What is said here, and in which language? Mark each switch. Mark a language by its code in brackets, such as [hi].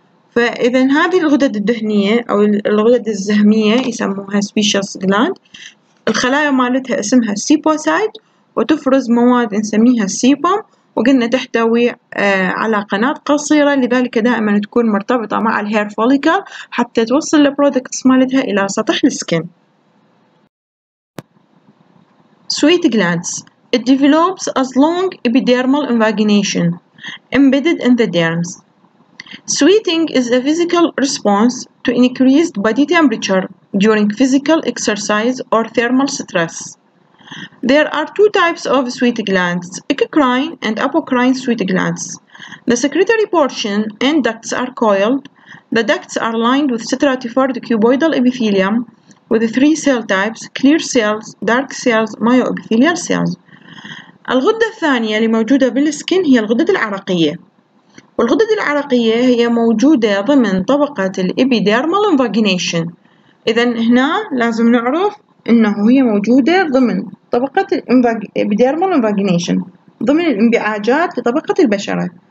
[ar] فإذا هذه الغدد الدهنية أو الغدد الزهمية يسموها سبيشالس جلاند، الخلايا مالتها اسمها سيبوسايت، وتفرز مواد نسميها سيبوم، وقلنا تحتوي على قناة قصيرة، لذلك دائما تكون مرتبطة مع الهير فوليكل حتى توصل البرودكتس مالتها إلى سطح السكن. [en] Sweat glands It develops as long epidermal invagination embedded in the derms. Sweating is a physical response to increased body temperature during physical exercise or thermal stress. There are two types of sweat glands, exocrine and apocrine sweat glands. The secretory portion and ducts are coiled. The ducts are lined with stratified cuboidal epithelium with three cell types, clear cells, dark cells, myoepithelial cells. [ar] الغدة الثانية اللي موجودة بالسكن هي الغدد العرقية، والغدد العرقية هي موجودة ضمن طبقة الإبيديرمال انفاجينيشن. إذن هنا لازم نعرف أنه هي موجودة ضمن طبقة الإبيديرمال انفاجينيشن، ضمن الانبعاجات لطبقة البشرة،